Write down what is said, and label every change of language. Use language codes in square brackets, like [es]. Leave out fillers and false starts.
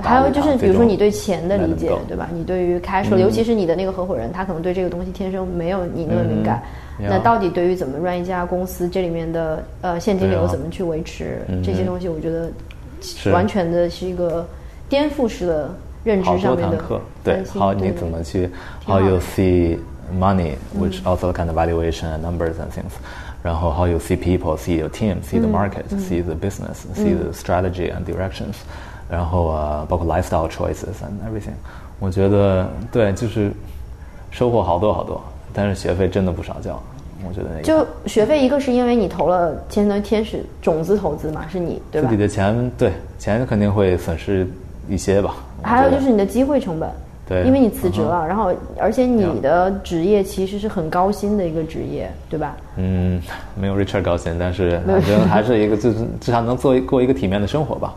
[zh] 还有就是比如说你对钱的理解，对吧？你对于开始尤其是你的那个合伙人，他可能对这个东西天生没有你那么敏感，那到底对于怎么 run 一家公司，这里面的现金流怎么去维持，这些东西我觉得完全的是一个颠覆式的认知上面的。好多堂课，对，好，你怎么去 [en] how you see money which also kind of valuation and numbers and things， [zh] 然后 [en] how you see people, see your team, see the market, see the business, see the strategy and directions， [zh] 然后包括 [en] lifestyle choices and everything， [zh] 我觉得对，就是收获好多好多，但是学费真的不少交，我觉得那就学费一个是因为你投了相当于天使种子投资嘛，是你对吧，自己的钱，对，钱肯定会损失一些吧，还有就是你的机会成本，对，因为你辞职了，然后而且你的职业其实是很高薪的一个职业，对吧？嗯，没有 Richard 高薪，但是反正还是一个至少能做过一个体面的生活吧。